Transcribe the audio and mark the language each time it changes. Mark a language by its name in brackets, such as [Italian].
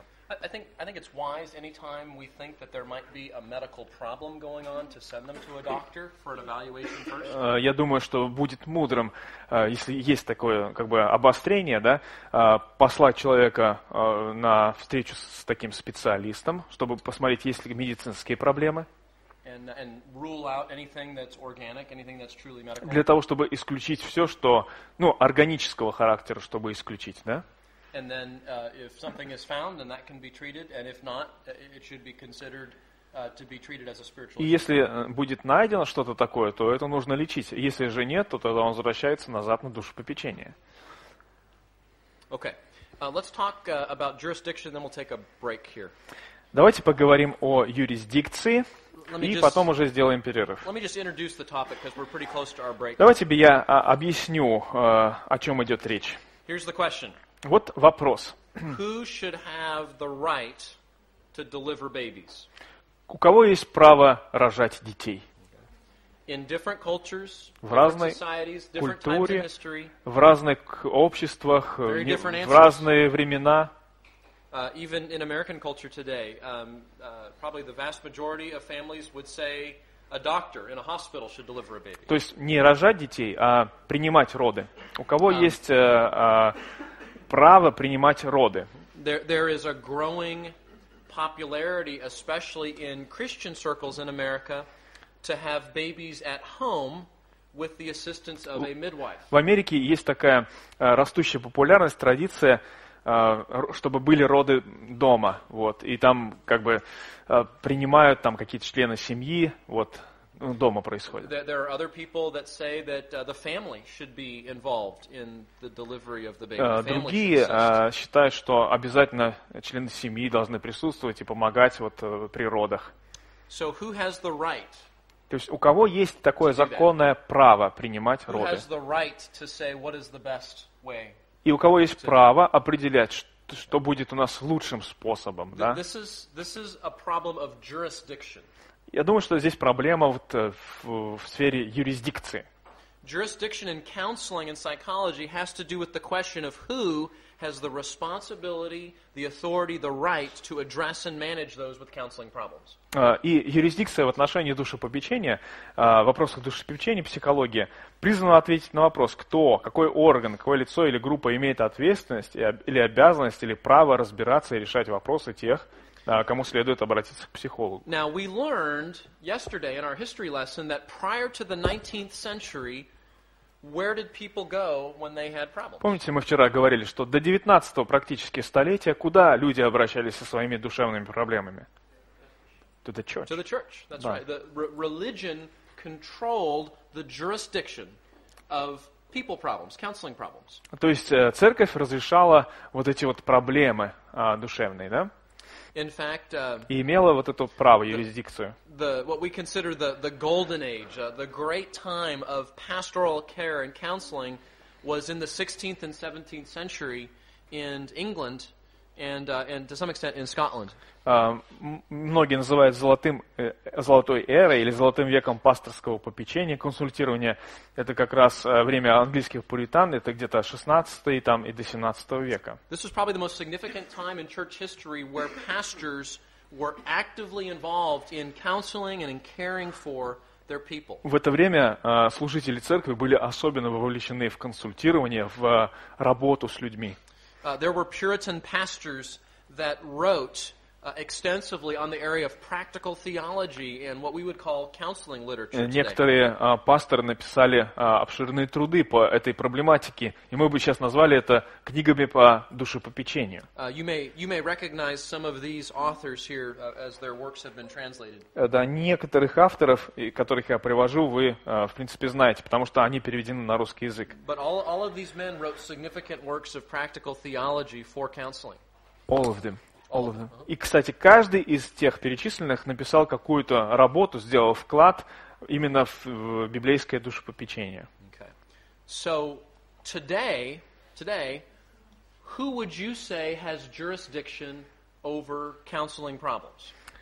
[English] I think it's wise anytime we think that there might be a medical problem going on to send them to a doctor for an evaluation first. [Russian] Я думаю, что будет мудрым, если есть такое как бы обострение, да, послать человека на встречу с таким специалистом, чтобы посмотреть, есть ли медицинские проблемы. [English] And rule out anything that's organic, anything that's truly medical. [Russian] Для того, чтобы исключить все, что, ну, органического характера, чтобы исключить, да? [English] And then if something is found, then that can be treated, and if not, it should be considered to be treated as a spiritual. [Russian] И если будет найдено что-то такое, то это нужно лечить. Если же нет, то тогда он возвращается назад на душепопечение. [English] Okay. Let's talk about jurisdiction, then we'll take a break here. [Russian] Давайте поговорим о юрисдикции. И потом уже сделаем перерыв. [English] Let me just introduce the topic, because we're pretty close to our break. [Russian] Давайте я объясню, о чем идет речь. [English] Here's the question. [Russian] Вот вопрос. [English] Who should have the right to deliver babies? [Russian] У кого есть право рожать детей? [English] In different cultures, [Russian] в разной [English] societies, [Russian] культуре, [English] different times in history, [Russian] в разных обществах, в разные времена. [English] Even in American culture today, probably the vast majority of families would say a doctor in a hospital should deliver a baby. [Russian] То есть не рожать детей, а принимать роды. У кого есть право принимать роды. [English] There is a growing popularity, especially in Christian circles in America, to have babies at home with the assistance of a midwife. [Russian] В Америке есть такая растущая популярность, традиция, чтобы были роды дома. Вот, и там как бы принимают там какие-то члены семьи, вот, дома происходит. [English] There are other people that say that the family should be involved in the delivery of the baby. [Russian] Другие считают, что обязательно члены семьи должны присутствовать и помогать вот при родах. [English] So who has the right? [Russian] То есть у кого есть такое законное право принимать роды? [English] Who has the right to say what is the best way? [Russian] И у кого есть право определять, что будет у нас лучшим способом, да? [English] This is a problem of jurisdiction. [Russian] Я думаю, что здесь проблема вот в сфере юрисдикции. [English] jurisdiction in counseling and psychology has to do with the question of who has the responsibility, the authority, the right to address and manage those with counseling problems. [Russian] И юрисдикция в отношении душепопечения, вопросах душепопечения, психологии, призвана ответить на вопрос, кто, какой орган, какое лицо или группа имеет ответственность или обязанность или право разбираться и решать вопросы тех, кому следует обратиться к психологу. [English] Now, we learned yesterday in our history lesson that prior to the 19th century, where did people go when they had problems? [Russian] Помните, мы вчера говорили, что до 19-го практически столетия, куда люди обращались со своими душевными проблемами? [English] To the church. To the church, that's right. The religion controlled the jurisdiction of people problems, counseling problems. [Russian] То есть церковь разрешала вот эти вот проблемы душевные, да? [English] In fact, [Russian] и имела вот это право, юрисдикцию. [English] What we consider the golden age, the great time of pastoral care and counseling was in the 16th and 17th century in England and to some extent in Scotland. [Russian] Многие называют золотой эрой или золотым веком пасторского попечения, консультирования. Это как раз время английских пуритан, это где-то 16-й там и до 17 века. [English] This was probably the most significant time in church history where pastors were actively involved in counseling and in caring for their people. [Russian] В это время служители церкви были особенно вовлечены в консультирование, в работу с людьми. [English] There were Puritan pastors that wrote extensively on the area of practical theology and what we would call counseling literature. [Russian] Некоторые пасторы написали обширные труды по этой проблематике, и мы бы сейчас назвали это книгами по душепопечению. [English] You may recognize some of these authors here as their works have been translated. [Russian] Да, некоторых авторов, которых я привожу, вы в принципе знаете, потому что они переведены на русский язык. [English] But all of these men wrote significant works of practical theology for counseling. All of them. [Russian] Uh-huh. И, кстати, каждый из тех перечисленных написал какую-то работу, сделал вклад именно в библейское душепопечение. [English] Okay. So today, who would you say has jurisdiction over counseling problems?